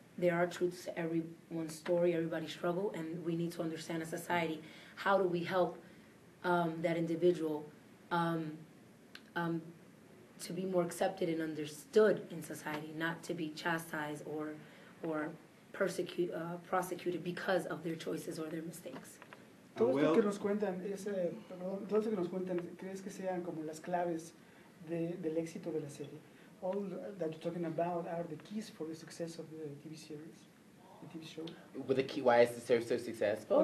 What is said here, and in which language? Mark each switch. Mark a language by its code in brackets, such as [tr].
[en] There are truths to everyone's story, everybody's struggle, and we need to understand as society, how do we help that individual to be more accepted and understood in society, not to be chastised or prosecuted because of their choices or their mistakes. [es] Todo esto que nos cuentan, todo esto que nos cuentan, ¿crees que sean como las claves del éxito de la serie? [en] All that you're talking about are the keys for the success of the TV series, the TV show. With the key, why is the series so successful?